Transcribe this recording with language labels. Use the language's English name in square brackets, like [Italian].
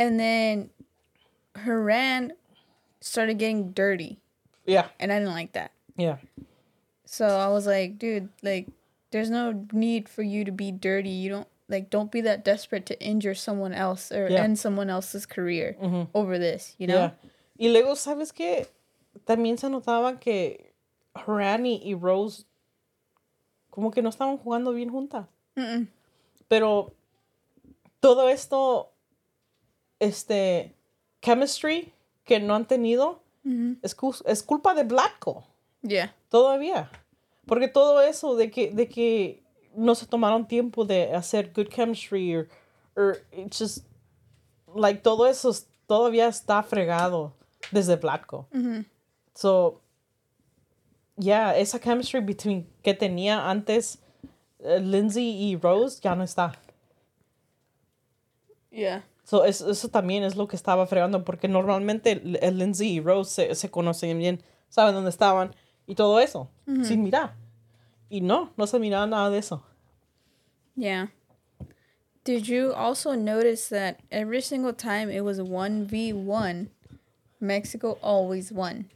[English] And then Horan started getting dirty. Yeah. And I didn't like that. Yeah. So I was like, dude, like, there's no need for you to be dirty. You don't, like, don't be that desperate to injure someone else or end someone else's career mm-hmm. over this, you know? Yeah. [Spanish] Y luego, ¿sabes qué? También se notaba que Rani y Rose como que no estaban jugando bien juntas. Mm-mm. Pero todo esto, chemistry que no han tenido, mm-hmm. es culpa de Blatko. [English] Yeah. [Spanish] Todavía. Porque todo eso de que no se tomaron tiempo de hacer [English] good chemistry or it's just like [Spanish] todo eso todavía está fregado desde Blatko. Mm-hmm. [English] So yeah, [Spanish] esa chemistry between que tenía antes Lindsay y Rose ya no está. [English] Yeah. [Spanish] So eso también es lo que estaba fregando porque normalmente Lindsay y Rose se conocen bien, saben dónde estaban. Y todo eso, mm-hmm. sin mirar. Y no se miraba nada de eso. [English] Yeah. Did you also notice that every single time it was 1v1, Mexico always won?